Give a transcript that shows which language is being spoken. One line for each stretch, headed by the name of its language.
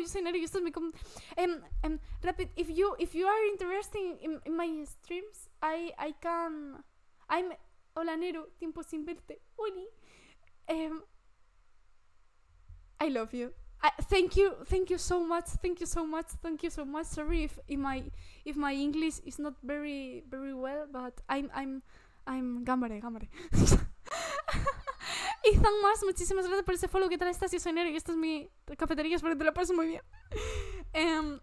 Spanish: Yo soy Nero y esto es mi rapid.
English: If you are interested in my streams, I can.
Spanish: I'm. Hola Nero, tiempo sin verte. Uli.
English: I love you. Thank you so much. Sorry if my English is not very very well, but I'm gambare.
Spanish: Ethan Mas, muchísimas gracias por ese follow. ¿Qué tal estás? Yo soy Nero y esta es mi cafetería, espero que te la pases muy bien.